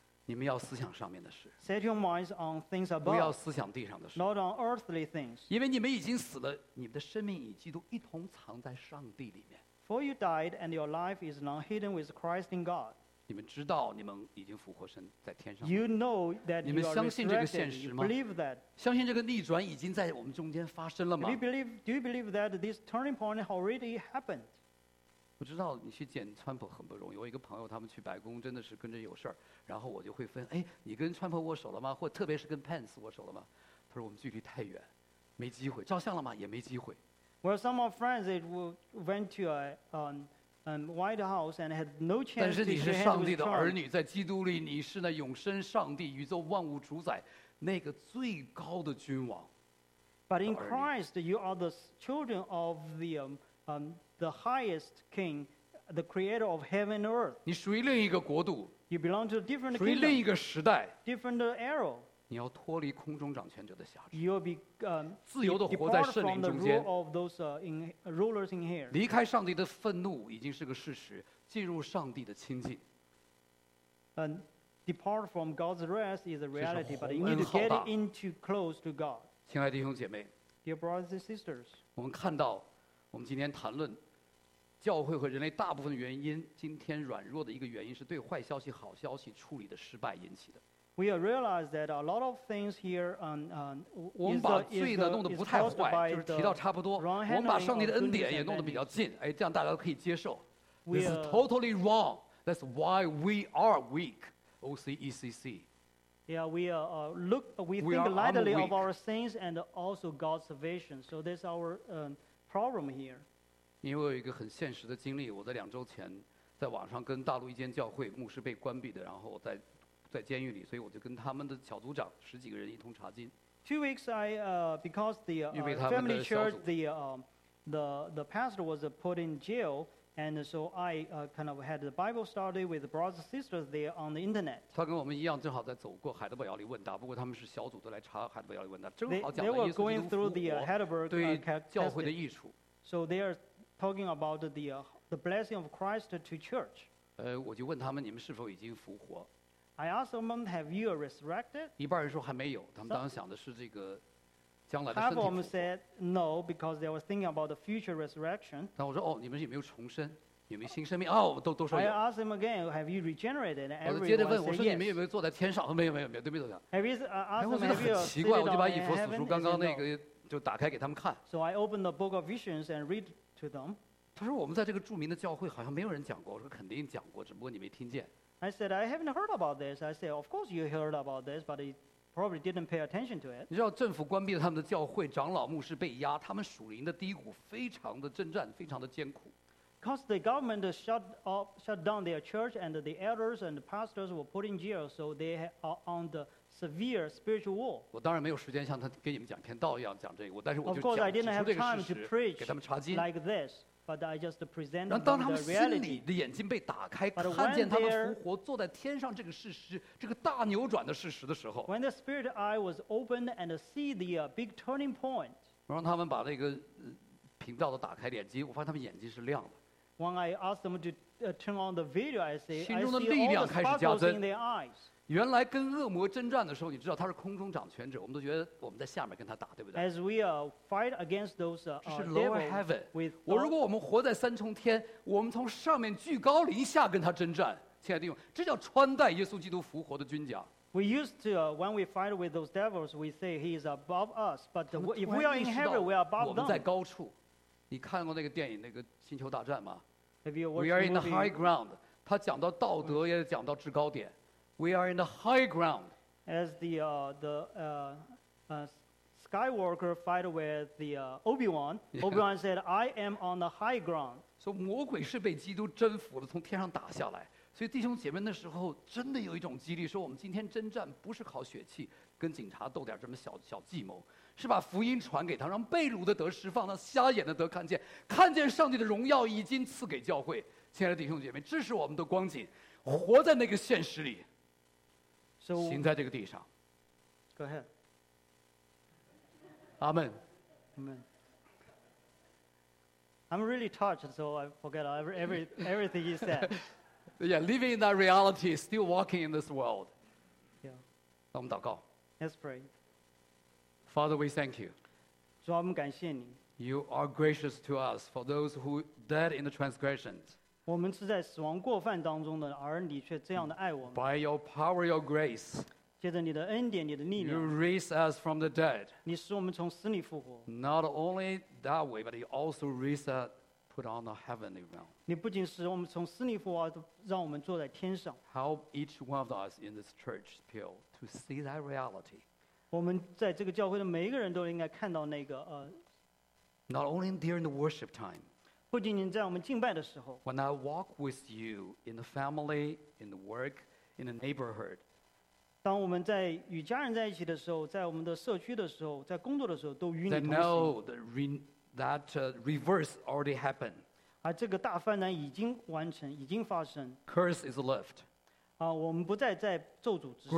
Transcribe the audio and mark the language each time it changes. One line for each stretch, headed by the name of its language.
Chinese: 你们要思想上面的事。
English: Set your minds on things above.
Chinese: 不要思想地上的事。
English: Not on earthly things.
Chinese: 因为你们已经死了，你们的生命与基督一同藏在上帝里面。
English: For you died, and your life is now hidden with Christ in God.
Chinese: 你们知道你们已经复活身在天上。
English: You know that you are resurrected. You believe that.
Chinese: 相信这个逆转已经在我们中间发生了吗？
English: Do you believe that this turning point already happened?
Chinese: 我知道你去见川普很不容易，我一个朋友他们去白宫真的是跟着有事儿，然后我就会问，哎，你跟川普握手了吗？或特别是跟 Pence 握手了吗？他说我们距离太远，没机会。照相了吗？也没机会。
English: Well, some of friends it went to a White House and had no chance.
Chinese: 但是你是上帝的儿女，在基督里你是那永生上帝、宇宙万物主宰、那个最高的君王的。
English: But in Christ, you are the children of the the highest king, the creator of heaven and earth.
Chinese: 你属于另一个国度。
English: You belong to a different kingdom.
Chinese: 属于另一个时代。
English: Different era.
Chinese: 你要脱离空中掌权者的辖制。
English: You'll be
Chinese: 自由地活在圣灵中间。
English: Depart from the rule of those rulers in here.
Chinese: 离开上帝的愤怒已经是个事实，进入上帝的亲近。
English: Depart from God's wrath is a reality, but you need to get into close to God.
Chinese: 亲爱的弟兄姐妹。
English: Dear brothers and sisters.
Chinese: 我们看到。我们今天谈论教会和人类大部分原因，今天软弱的一个原因是对坏消息、好消息处理的失败引起的。
English: We realize that a lot of things here,
Chinese: 我们把罪呢弄得不太坏，就是提到差不多。我们把上帝的恩典也弄得比较近，哎，这样大家都可以接受。
English: This is totally wrong. That's why we are weak. OCECC. Yeah, we think lightly of our sins and also God's salvation. So that's our problem here.
Chinese: 因为我有一个很现实的经历，我在两周前在网上跟大陆一间教会牧师被关闭的，然后在监狱里，所以我就跟他们的小组长十几个人一同查经。
English: Two weeks I because the family church the pastor was put in jail, and so I kind of had the Bible study with the brothers and sisters there on the internet.
Chinese: 他跟我们一样，正好在走过海德堡要理问答，不过他们是小组的来查海德堡要理问答，正好讲了耶稣基督复活。
English: They were going through the Heidelberg test.
Chinese: 对教会的益处。
English: So they are talking about the blessing of Christ to church.
Chinese: 我就问他们，你们是否已经复活
English: ？I asked them, "Have you resurrected?"
Chinese: 一半人说还没有，他们当时想的是这个将来的身体复活。
English: Half of them said no because they were thinking about the future resurrection.
Chinese: 那我说哦，你们有没有重生？有没有新生命？哦，都说有。
English: I asked them again, "Have you regenerated?"
Chinese: 我就接着问，我说你们有没有坐在天上？没有，对不对？
English: Have you asked them?
Chinese: 我觉得很奇怪，我就把以弗所书刚刚那个就打开给他们看。
English: So I opened the book of visions and read to them.
Chinese: 他说我们在这个著名的教会好像没有人讲过。我说肯定讲过，只不过你没听见。
English: I said I haven't heard about this. I said of course you heard about this, but probably didn't pay attention to it.
Chinese: 你知道政府关闭了他们的教会，长老牧师被压，他们属灵的低谷非常的震颤，非常的艰苦。
English: Because the government shut down their church and the elders and the pastors were put in jail, so they are on the severe spiritual war.
Chinese: 我当然没有时间像他给你们讲天道一样讲这个，但是我就讲指出这个事实。
English: Of course, I didn't have time to preach
Chinese: 给他们查经
English: like this, but I just presented the reality.
Chinese: 然后当他们心里的眼睛被打开，看见他们复活坐在天上这个事实，这个大扭转的事实的时候
English: ，When the spirit eye was opened and see the big turning point,
Chinese: 我让他们把那个频道的打开眼睛，我发现他们眼睛是亮的。
English: When I asked them to turn on the video, I say,
Chinese: 心中的力量开始加增。
English: I see all the sparkles in their eyes.
Chinese: 原来跟恶魔征战的时候，你知道他是空中掌权者，我们都觉得我们在下面跟他打，对不对
English: ？As we fight against those devils,
Chinese: 这是
English: lower heaven.
Chinese: 我如果我们活在三重天，我们从上面居高临下跟他征战，亲爱的弟兄，这叫穿戴耶稣基督复活的军甲。
English: We used to when we fight with those devils, we say he is above us. But if we are in heaven, we are above them.
Chinese: 我们在高处。你看过那个电影那个《星球大战》吗？
English: Have you We are in the high ground.
Chinese: 他讲到道德，也讲到制高点。
English: We are in the high ground. As the Skywalker fight with the Obi-Wan, Obi-Wan said, "I am on the high ground."
Chinese: 所以魔鬼是被基督征服的，从天上打下来。所以弟兄姐妹，那时候真的有一种激励，说我们今天征战不是靠血气，跟警察斗点这么小小计谋。是把福音传给他，让被掳的得释放，让瞎眼的得看见，看见上帝的荣耀已经赐给教会。亲爱的弟兄姐妹，这是我们的光景，活在那个现实里，行在这个地上。
English: Go ahead.
Chinese: 阿门。阿门。
English: I'm really touched, so I forget everything he said. Yeah, living in that reality, still walking in this world. Yeah.
Chinese: 让我们祷告。
English: Let's pray. Father, we thank you.
Chinese: 主啊，我们感谢你。
English: You are gracious to us for those who dead in the transgressions.
Chinese: 我们是在死亡过犯当中的，而你却这样的爱我们。
English: By your power, your grace.
Chinese: 借着你的恩典，你的力量。
English: You raise us from the dead.
Chinese: 你使我们从死里复活。
English: Not only that way, but you also raise us. Put on the heavenly realm.
Chinese: 你不仅使我们从死里复活，让我们坐在天上。
English: Help each one of us in this church pew to see that reality.
Chinese: 我们在这个教会的每一个人都应该看到那个
English: Not only during the worship time.
Chinese: 不仅仅在我们敬拜的时候。
English: When I walk with you in the family, in the work, in the neighborhood.
Chinese: 当我们在与家人在一起的时候，在我们的社区的时候，在工作的时候，都与你同行。
English: They know the That reverse already happened.
Chinese: 而这个大翻转已经完成，已经发生。
English: Curse is lift.
Chinese: 啊，我们不再在咒诅之上。